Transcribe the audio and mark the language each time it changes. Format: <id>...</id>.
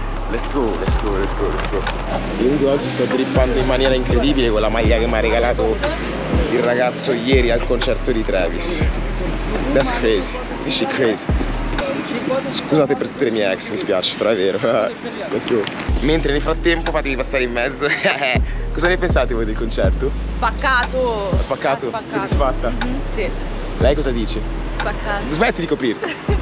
<en>Let's go, let's go, let's go, let's go.</en> <it>Io oggi sto trippando in maniera incredibile con la maglia che mi ha regalato il ragazzo ieri al concerto di Travis.</it> <en>That's crazy, this is crazy.</en> <it>Scusate per tutte le mie ex, mi spiace, però è vero.</it> <en>Let's go.</en> <it>Mentre nel frattempo fatemi passare in mezzo. Cosa ne pensate voi del concerto? Spaccato. Ha spaccato? Spaccato. Soddisfatta? Mm-hmm. Sì. Lei cosa dice? Spaccato. Smetti di coprirti.</it>